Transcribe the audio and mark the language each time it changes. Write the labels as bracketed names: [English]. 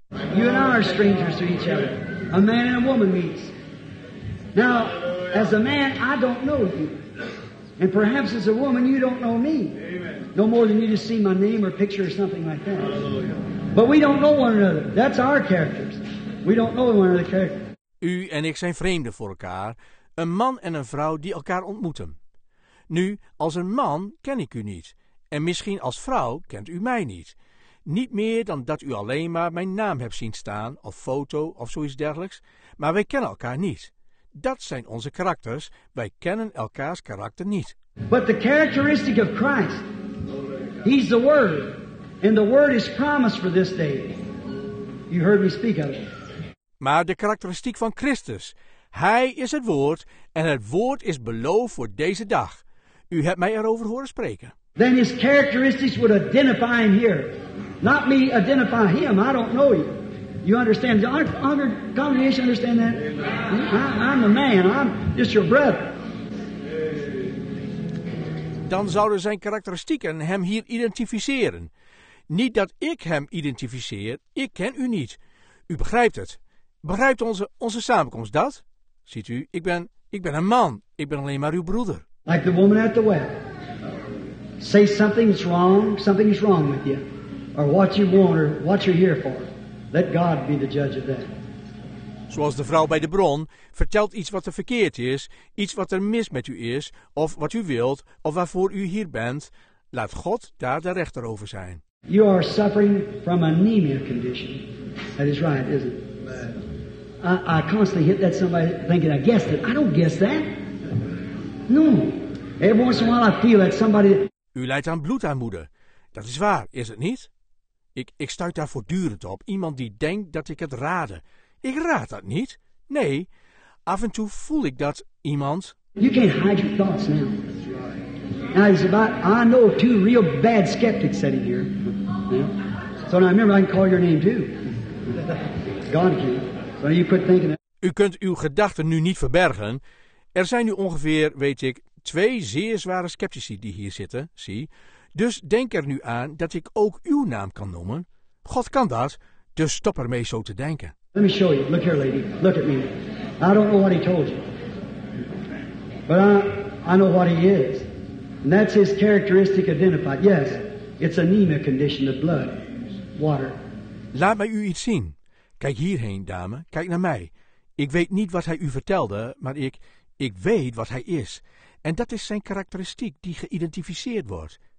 [English] You and I are strangers to each other. A man and a woman meets. Now, as a man, I don't know you. And perhaps as a woman, you don't know me. No more than you just see my name or picture or something like that. But we don't know one another. That's our characters. We don't know one another's character. [Dutch] U en ik zijn vreemden voor elkaar. Een man en een vrouw die elkaar ontmoeten. Nu, als een man ken ik u niet. En misschien als vrouw kent u mij niet. Niet meer dan dat u alleen maar mijn naam hebt zien staan, of foto, of zoiets dergelijks. Maar wij kennen elkaar niet. Dat zijn onze karakters. Wij kennen elkaars karakter niet. [English] But the characteristic of Christ, he's the Word. And the Word is promised for this day. You heard me speak of it. [Dutch] Maar de karakteristiek van Christus. Hij is het Woord, en het Woord is beloofd voor deze dag. U hebt mij erover horen spreken. [English] Then his characteristics would identify him here. Not me identify him. I don't know you. You understand? Our congregation understand that? I'm the man. I'm just your brother. [Dutch] Dan zouden zijn karakteristieken hem hier identificeren. Niet dat ik hem identificeer. Ik ken u niet. U begrijpt het. Begrijpt onze samenkomst dat? Ziet u, ik ben een man. Ik ben alleen maar uw broeder. [English] Like the woman at the well. Say something's wrong. Something's wrong with you. Or what you want, or what you're here for. Let God be the judge of that. [Dutch] Zoals de vrouw bij de bron, vertelt iets wat er verkeerd is, iets wat er mis met u is, of wat u wilt, of waarvoor u hier bent, laat God daar de rechter over zijn. [English] You are suffering from anemia condition. That is right, isn't it? I constantly hit that somebody thinking, I guessed it. I don't guess that. No. Every once in a while I feel that somebody... [Dutch] U lijdt aan bloedarmoede. Dat is waar, is het niet? Ik stuit daar voortdurend op. Iemand die denkt dat ik het raadde. Ik raad dat niet. Nee. Af en toe voel ik dat iemand... [English] You can't hide your thoughts now. Now it's about... I know two real bad skeptics sitting here. So now remember, I can call your name too. God can. So you quit thinking that. [Dutch] U kunt uw gedachten nu niet verbergen. Er zijn nu ongeveer, weet ik, twee zeer zware sceptici die hier zitten, zie... Dus denk er nu aan dat ik ook uw naam kan noemen. God kan dat, dus stop ermee zo te denken. [English] Let me show you. Look here, lady. Look at me. I don't know what he told you. But I know what he is. And that's his characteristic identified. Yes, it's anemia condition of blood. Water. [Dutch] Laat mij u iets zien. Kijk hierheen, dame. Kijk naar mij. Ik weet niet wat hij u vertelde, maar ik weet wat hij is. En dat is zijn karakteristiek die geïdentificeerd wordt.